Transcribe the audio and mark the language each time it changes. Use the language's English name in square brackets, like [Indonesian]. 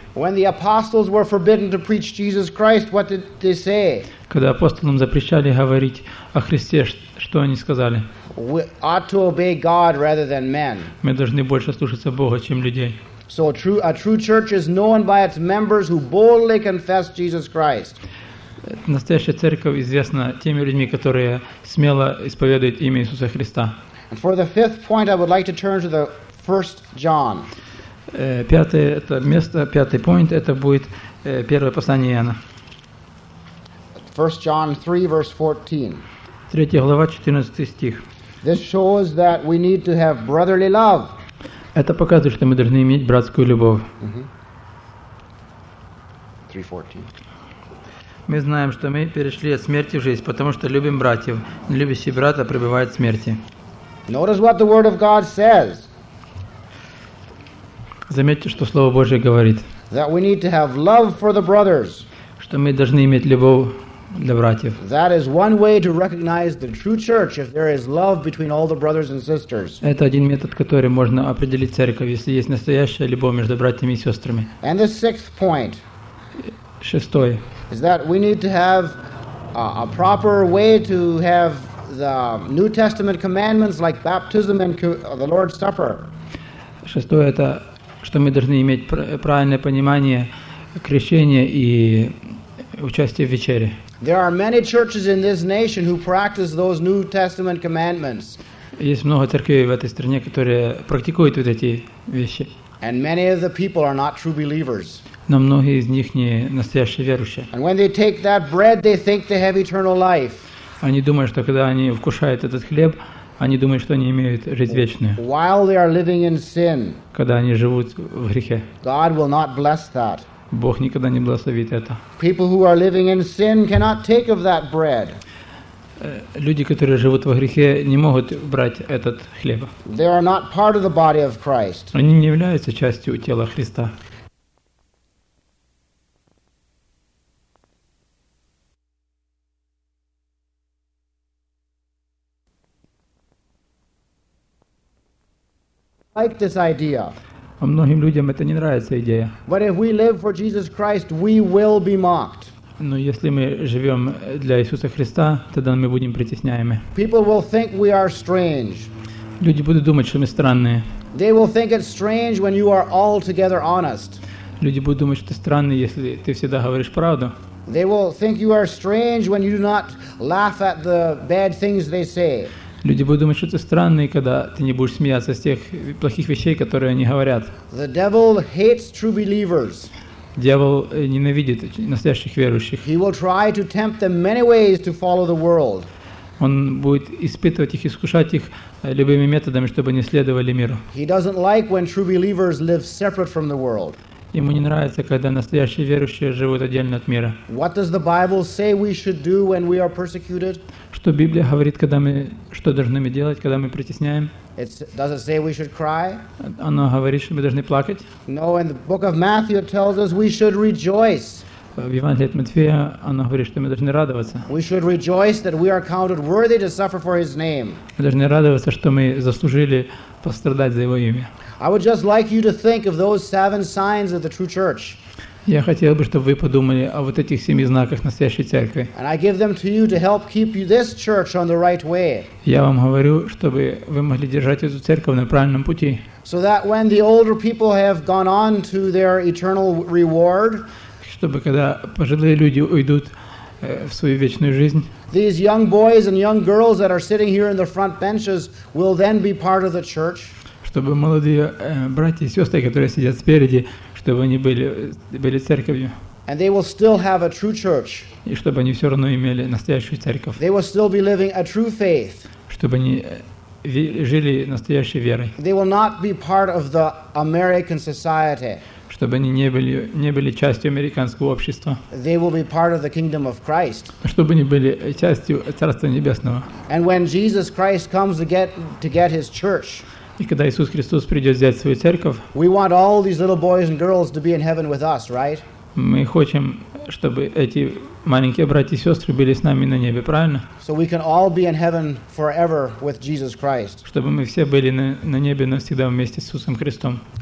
[English] When the apostles were forbidden to preach Jesus Christ, what did they say? [Russian] Когда апостолам запрещали говорить о Христе, что они сказали? [English] We ought to obey God rather than men. [Russian] Мы должны больше слушаться Бога, чем людей. [English] So a true church is known by its members who boldly confess Jesus Christ. [Russian] Настоящая церковь известна теми людьми, которые смело исповедуют имя Иисуса Христа. [English] And for the fifth point, I would like to turn to the first John. [Russian] Пятый point, это будет первое послание Иоанна. [English] First John 3, verse 14. [Russian] Третья глава, 14 стих. [English] This shows that we need to have brotherly love. [Russian] Это показывает, что мы должны иметь братскую любовь. Mm-hmm. [English] 3:14. [Russian] Мы знаем, что мы перешли от смерти в жизнь, потому что любим братьев. Любящий брата пребывает в смерти. [English] Notice what the word of God says. [Russian] Заметьте, что Слово Божие говорит. [English] That we need to have love for the brothers. [Russian] Что мы должны иметь любовь. [English] That is one way to recognize the true church if there is love between all the brothers and sisters. [Russian] Это один метод, который можно определить церковь, если есть настоящая любовь между братьями и сестрами. [English] And the sixth point. [Russian] Шестой. [English] Is that we need to have a proper way to have the New Testament commandments like baptism and the Lord's Supper. [Russian] Шестое это что мы должны иметь правильное понимание крещения и участия в вечере. [English] There are many churches in this nation who practice those New Testament commandments. [Russian] Есть много церквей в этой стране, которые практикуют вот эти вещи. [English] And many of the people are not true believers. [Russian] Но многие из них не настоящие верующие. [English] And when they take that bread, they think they have eternal life. [Russian] Они думают, что когда они вкушают этот хлеб, они думают, что они имеют жизнь вечную. [English] While they are living in sin. [Russian] Когда они живут в грехе. [English] God will not bless that. [Russian] Бог никогда не благословит это. [English] People who are living in sin cannot take of that bread. [Russian] Люди, которые живут во грехе, не могут брать этот хлеб. [English] They are not part of the body of Christ. [Russian] Они не являются частью тела Христа. [English] I like this idea. [Russian] А многим людям это не нравится идея. [English] But if we live for Jesus Christ, we will be mocked. [Russian] Но если мы живем для Иисуса Христа, тогда мы будем притесняемы. [English] People will think we are strange. [Russian] Люди будут думать, что мы странные. [English] They will think it's strange when you are altogether honest. [Russian] Люди будут думать, что ты странный, если ты всегда говоришь правду. [English] They will think you are strange when you do not laugh at the bad things they say. [Russian] Люди будут думать, что ты странный, когда ты не будешь смеяться с тех плохих вещей, которые они говорят. [English] The devil hates true believers. [Russian] Дьявол ненавидит настоящих верующих. [English] He will try to tempt them many ways to follow the world. [Russian] Он будет испытывать их, искушать их любыми методами, чтобы они следовали миру. [English] He doesn't like when true believers live separate from the world. [Russian] Ему не нравится, когда настоящие верующие живут отдельно от мира. [English] What does the Bible say we should do when we are persecuted? [Russian] Что Библия говорит, когда мы что должны мы делать, когда мы притесняем? [English] Does it say we should cry? [Russian] Оно говорит, что мы должны плакать? [English] No, in the book of Matthew it tells us we should rejoice. [Russian] В Евангелии от Матфея оно говорит, что мы должны радоваться. [English] We should rejoice that we are counted worthy to suffer for His name. [Russian] Мы должны радоваться, что мы заслужили пострадать за Его имя. [English] I would just like you to think of those seven signs of the true church. [Russian] Я хотел бы, чтобы вы подумали о вот этих семи знаках настоящей церкви. [English] And I give them to you to help keep you this church on the right way. [Russian] Я вам говорю, чтобы вы могли держать эту церковь на правильном пути. [English] So that when the older people have gone on to their eternal reward, [Russian] чтобы когда пожилые люди уйдут в свою вечную жизнь, [English] these young boys and young girls that are sitting here in the front benches will then be part of the church. [Russian] Чтобы молодые братья и сестры, которые сидят спереди, чтобы они были церковью. [English] And they will still have a true church. [Russian] И чтобы они все равно имели настоящую церковь. [English] They will still be living a true faith. [Russian] Чтобы они жили настоящей верой. [English] They will not be part of the American society. [Russian] Чтобы они не были частью американского общества. [English] They will be part of the kingdom of Christ. [Russian] Чтобы они были частью Царства Небесного. [English] And when Jesus Christ comes to get his church, [Russian] и когда Иисус Христос придет взять свою церковь, [English] we want all these little boys and girls to be in heaven with us, right? [Russian] Мы хотим, чтобы эти маленькие братья и сестры были с нами на небе, правильно? [English] So we can all be in heaven forever with Jesus Christ. [Russian] Чтобы мы все были на небе навсегда вместе с Иисусом Христом.